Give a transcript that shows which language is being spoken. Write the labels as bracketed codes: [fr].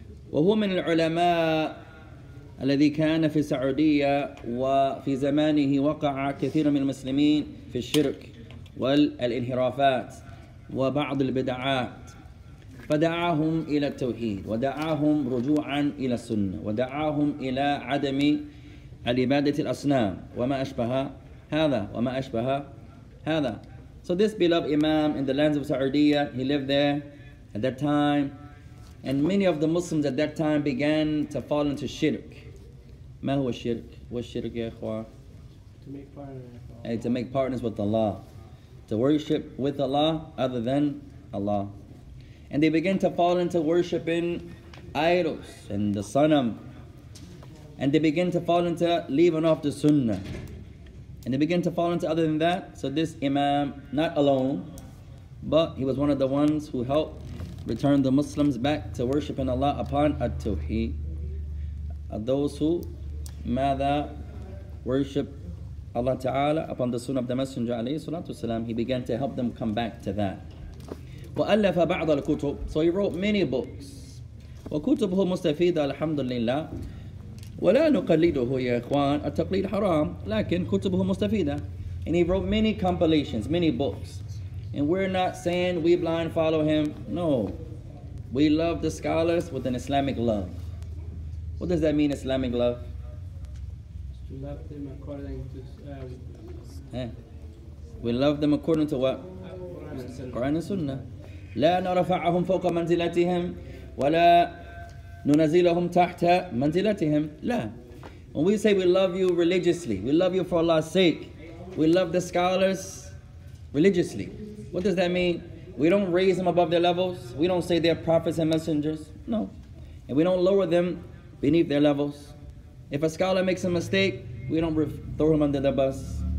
[ar] وهو من العلماء الذي كان في السعودية وفي زمانه وقع كثير من المسلمين في الشرك والانحرافات وبعض البدعات فدعاهم إلى التوحيد ودعاهم رجوعا إلى السنة ودعاهم إلى عدم عبادة الأصنام وما أشبه هذا وما أشبه هذا. [en] So this beloved Imam in the lands of Saudi, he lived there at that time. And many of the Muslims at that time began to fall into shirk. [ar] Ma huwa shirk? [en] What's shirk, ya ikhwan? To make partners with Allah. To worship with Allah other than Allah. And they began to fall into worshiping idols and the sanam. And they began to fall into leaving off the sunnah. And they began to fall into other than that. So this Imam, not alone, but he was one of the ones who helped return the Muslims back to worshiping Allah upon At-Tawheed. Those who ماذا worship Allah Ta'ala upon the Sunnah of the Messenger [ar] عليه الصلاة والسلام, [en] he began to help them come back to that. [ar] وألف بعض الكتب. [en] So he wrote many books. [ar] وكتبه مستفيدة الحمد لله. ولا نقلده يا إخوان التقليد حرام. لكن كتبه مستفيدة. [en] And he wrote many compilations, many books. And we're not saying we blind follow him. No. We love the scholars with an Islamic love. What does that mean, Islamic love? To love them according to... We love them according to what? Quran and Sunnah. [ar] لا نرفعهم فوق منزلتهم ولا ننزلهم تحت منزلتهم. لا. [en] When we say we love you religiously, we love you for Allah's sake, we love the scholars religiously. What does that mean? We don't raise them above their levels. We don't say they're prophets and messengers. No. And we don't lower them beneath their levels. If a scholar makes a mistake, we don't throw him under the bus.